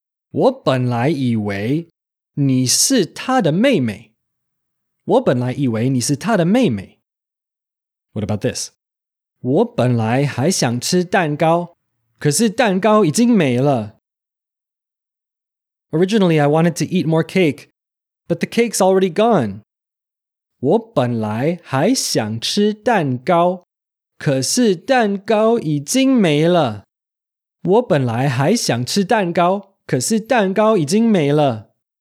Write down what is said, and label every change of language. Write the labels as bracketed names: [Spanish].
[Chinese] 我本来以为 你是他的妹妹. 我本来以为你是他的妹妹. [English] What about this? [Chinese] 我本来还想吃蛋糕, 可是蛋糕已经没了. [English] Originally, I wanted to eat more cake, but the cake's already gone. [Chinese] 我本来还想吃蛋糕, 可是蛋糕已经没了. 我本来还想吃蛋糕, 可是蛋糕已经没了.